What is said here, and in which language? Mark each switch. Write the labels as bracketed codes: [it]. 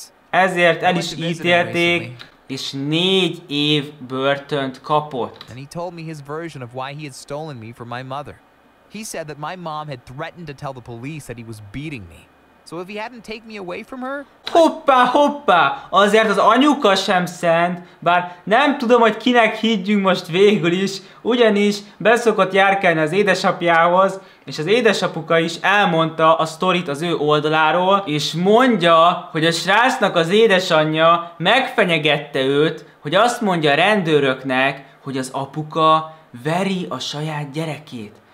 [hu] Ezért el is ítélték, és 4 év börtönt kapott. [en] And he told me his version of why he had stolen me from my mother. He said that my mom had threatened to tell the police that he was beating me. So if he hadn't taken me away from her... [hu] Hoppá, hoppá! Azért az anyuka sem szent, bár nem tudom, hogy kinek higgyünk most végül is, ugyanis beszokott járkálni az édesapjához, és az édesapuka is elmondta a sztorit az ő oldaláról, és mondja, hogy a srácnak az édesanyja megfenyegette őt, hogy azt mondja a rendőröknek, hogy az apuka veri a saját gyerekét.